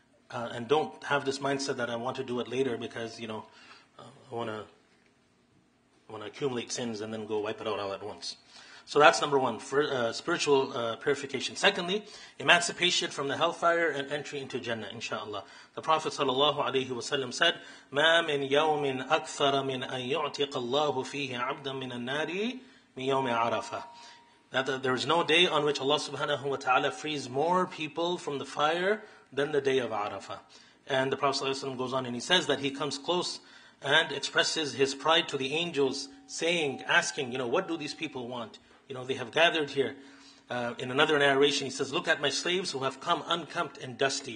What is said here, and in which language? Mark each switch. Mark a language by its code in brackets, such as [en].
[en] And don't have this mindset that I want to do it later because, you know, I want to accumulate sins and then go wipe it out all at once. So that's number one, for spiritual purification. Secondly, emancipation from the hellfire and entry into Jannah, inshallah. The Prophet sallallahu alayhi wa sallam said, [ar] مَا مِن يَوْمٍ أَكْثَرَ مِنْ أَن يُعْتِقَ اللَّهُ فِيهِ عَبْدًا مِنَ النَّارِ مِنْ يَوْمِ عَرَفَةٍ. [en] That there is no day on which Allah subhanahu wa ta'ala frees more people from the fire than the day of Arafah. And the Prophet ﷺ goes on and he says that he comes close and expresses his pride to the angels, saying, asking, you know, what do these people want? You know, they have gathered here. In another narration, he says, look at my slaves who have come unkempt and dusty.